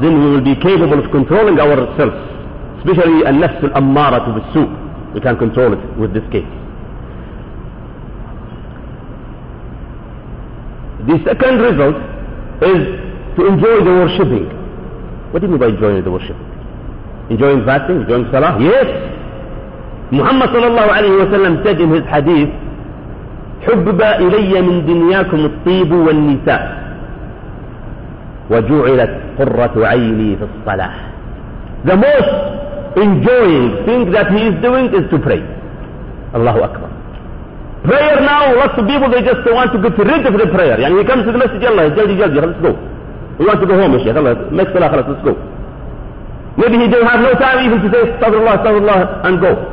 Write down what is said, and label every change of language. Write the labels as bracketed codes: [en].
[en] Then we will be capable of controlling ourselves. Especially an-nafs al-ammara bis-su', we can control it with this case. The second result is to enjoy the worshipping. What do you mean by enjoying the worship? Enjoying fasting, enjoying salah? Yes! Muhammad sallallahu alayhi wa sallam said in his hadith, [ar] حبب إلي من دنياكم الطيب والنساء وجعلت قرة عيني في الصلاة. [en] The most enjoying things that he is doing is to pray. Allahu Akbar. Prayer now, lots of people, they just want to get rid of the prayer. Yani he comes to the message, Allah, [ur] jaldi, jaldi, [en] let's go. We want to go home, Shaykh Allah, make salah, let's go. Maybe he didn't have no time even to say, astaghfirullah, astaghfirullah, and go.